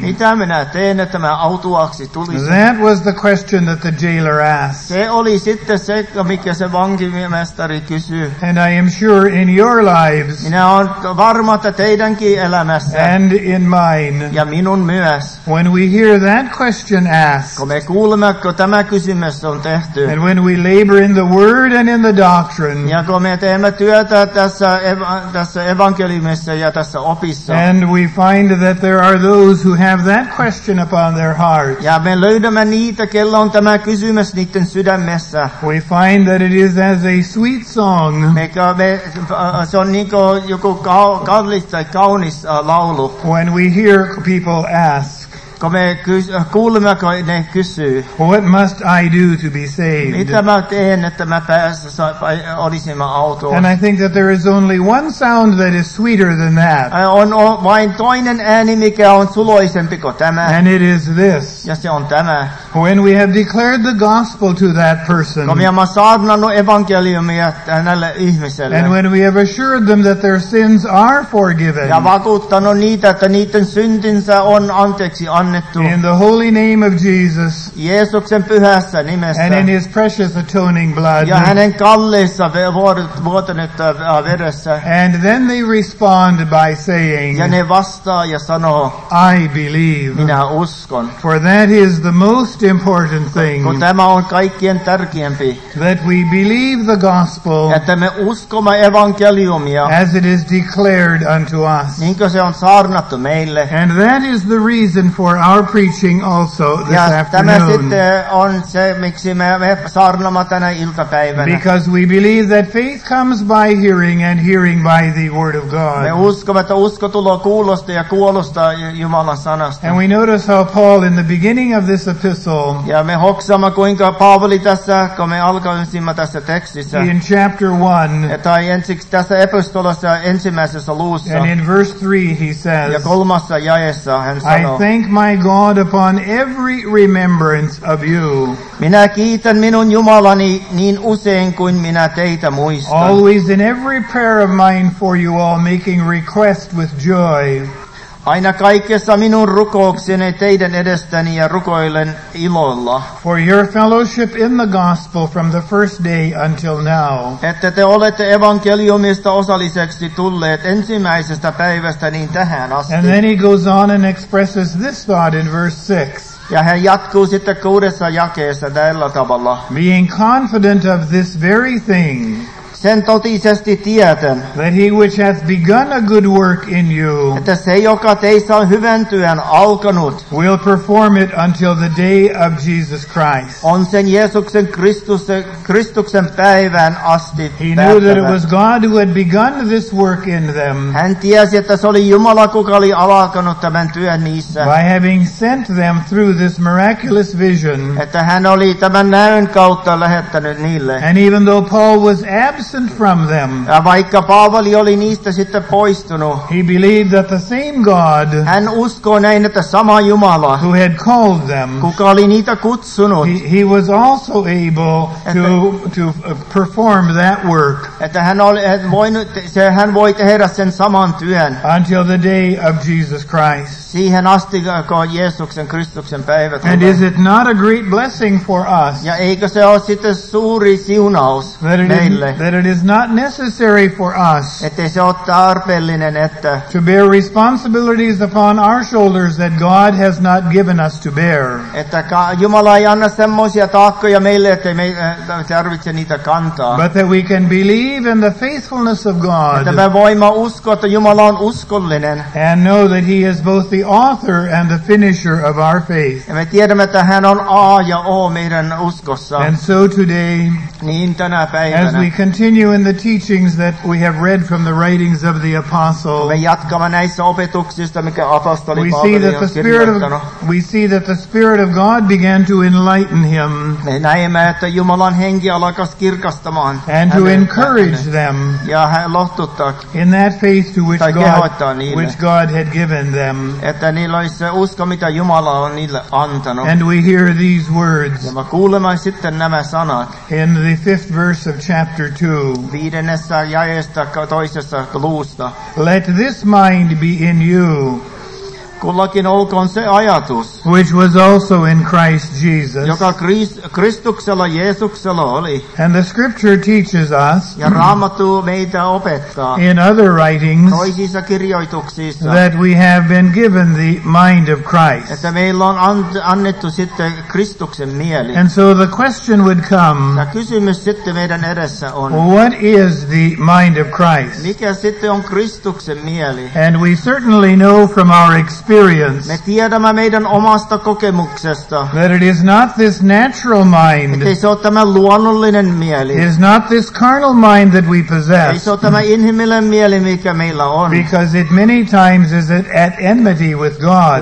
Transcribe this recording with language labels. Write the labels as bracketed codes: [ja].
[fi] Mitä minä teen, että mä autuaksi tulisin? [en] That was the question that the jailer asked. [fi] Se oli sitten se, mikä se vankimestari kysyi. [en] And I am sure in your lives. [fi] Minä olen varma, että teidänkin elämässä. [en] And in mine. [fi] Ja minun myös. [en] When we hear that question asked. [fi] Kun me kuulemme, kun tämä kysymys on tehty. [en] And when we labor in the word and in the doctrine. [fi] Ja kun me teemme työtä tässä evankeliumissa ja tässä opissa. [en] And we find that there are those who have that question upon their heart. [fi] Ja me löydämme niitä, kello on tämä kysymys niiden sydämessä. [en] We find that it is as a sweet song. [fi] Se on niin kuin joku kallis tai kaunis laulu. [en] When we hear people ask. [fi] Kun me kuulemme, kun ne kysyy. [en] What must I do to be saved? [fi] Mitä mä teen, että mä olisin autoon? [en] And I think that there is only one sound that is sweeter than that. [fi] On vain toinen ääni, mikä on suloisempi kuin tämä. [en] And it is this. [fi] Ja se on tämä. [en] When we have declared the gospel to that person. [fi] Kun me olemme saarnannut evankeliumia tälle ihmiselle. [en] And when we have assured them that their sins are forgiven. [fi] Ja vakuuttanut niitä, että niiden syntinsä on anteeksi annettu. annettu. [en] In the holy name of Jesus. [fi] Jeesuksen pyhässä nimessä. [en] And in his precious atoning blood. [fi] Ja hänen kalliissa vuotaneessa veressä. [en] And then they respond by saying. [fi] Ja ne vastaa ja sanoo. [en] I believe. [fi] Minä uskon. [en] For that is the most important thing. [fi] Kun tämä on kaikkien tärkeämpi. [en] That we believe the gospel. [fi] Että me uskomme evankeliumia. [en] As it is declared unto us. [fi] Niin kuin se on saarnattu meille. [en] And that is the reason for our preaching also this afternoon. [fi] Tämä sitten on se, miksi me saarnamme tänä iltapäivänä. [en] Because we believe that faith comes by hearing and hearing by the word of God. [fi] Me uskomme, että usko tulee kuulosta ja kuulosta Jumalan sanasta. [en] And we notice how Paul in the beginning of this epistle. [fi] Ja me hoksamme, kuinka Paavali tässä, kun me alkaisimme tässä tekstissä. [en] In chapter 1. [fi] Tai ensiksi tässä epistolassa ensimmäisessä luussa. [en] And in verse 3 he says. [fi] Ja kolmassa jaessa hän sanoo. [en] I thank my God upon every remembrance of you. [fi] Minä kiitän minun Jumalani niin usein kuin minä teitä muistan. [en] Always in every prayer of mine for you all, making request with joy. [fi] Aina kaikessa minun rukoukseni teidän edestäni ja rukoilen ilolla. [en] For your fellowship in the gospel from the first day until now. [fi] Että te olette evankeliumista osalliseksi tulleet ensimmäisestä päivästä niin tähän asti. [en] And then he goes on and expresses this thought in verse 6. [fi] Ja hän jatkuu sitten kuudessa jakeessa tällä tavalla. [en] Being confident of this very thing. [fi] Sen totisesti tieten, [en] that he which hath begun a good work in you, [fi] että se, joka teissä on hyvän työn alkanut, [en] will perform it until the day of Jesus Christ. [fi] On sen Jeesuksen Kristuksen päivän asti päättävä. [en] He knew that it was God who had begun this work in them. [fi] Hän tiesi, että se oli Jumala, kuka oli alkanut tämän työn niissä. [en] By having sent them through this miraculous vision, [fi] että hän oli tämän näön kautta lähettänyt niille. [en] And even though Paul was absent from them. [fi] Ja vaikka Paavali oli niistä sitten poistunut. [en] He believed that the same God. [fi] Hän uskoi näin, että sama Jumala. [en] Who had called them. [fi] Kuka oli niitä kutsunut. [en] He was also able to perform that work. [fi] Että hän oli hän voi tehdä sen saman työn. [en] Until the day of Jesus Christ. [fi] Siihen asti, kun Jeesuksen Kristuksen päivä tulee. [en] And is it not a great blessing for us? [fi] Ja eikö se ole sitten suuri siunaus meille? [en] That it is not necessary for us, [fi] ettei se ole tarpeellinen, että [en] to bear responsibilities upon our shoulders that God has not given us to bear. [fi] Että Jumala ei anna semmoisia taakkoja meille, ettei me tarvitse niitä kantaa. [en] But that we can believe in the faithfulness of God. [fi] Että me voimme uskoa, että Jumala on uskollinen. [en] And know that he is both the author and the finisher of our faith. [fi] Ja me tiedämme, että hän on A ja O meidän uskossa. [en] And so today, [fi] niin tänä päivänä, [en] as we continue in the teachings that we have read from the writings of the apostle. [fi] Me jatkamme näissä opetuksista, mikä apostoli Paavali on kirjoittanut. [en] We see that the Spirit of God began to enlighten him. [fi] Me näemme, että Jumalan henki alkoi kirkastamaan hänet. [en] And to encourage them. [fi] Ja lohduttaa. [en] In that faith to which God had given them. [fi] Että niillä olisi se usko, mitä Jumala on niille antanut. [en] And we hear these words. [fi] Ja me kuulemme sitten nämä sanat. [en] In the fifth verse of chapter 2. [fi] Viidennessä jaesta toisessa luusta. [en] Let this mind be in you. [fi] Kullakin olkoon se ajatus. [en] Which was also in Christ Jesus. [fi] Joka Kristuksella Jeesuksella oli. [en] And the scripture teaches us. [fi] Ja Raamattu meitä opettaa. [en] In other writings. [fi] Toisissa kirjoituksissa. [en] That we have been given the mind of Christ. [fi] Että meillä on annettu sitten Kristuksen mieli. [en] And so the question would come. [fi] Ja kysymys sitten meidän edessä on. [en] What is the mind of Christ? [fi] Mikä sitten on Kristuksen mieli? [en] And we certainly know from our experience. [fi] Me tiedämme meidän omasta kokemuksesta. [en] That it is not this natural mind. [fi] Ettei se ole tämä luonnollinen mieli. [en] It is not this carnal mind that we possess. [fi] Ettei se ole tämä inhimillinen mieli, mikä meillä on. [en] Because it many times is at enmity with God.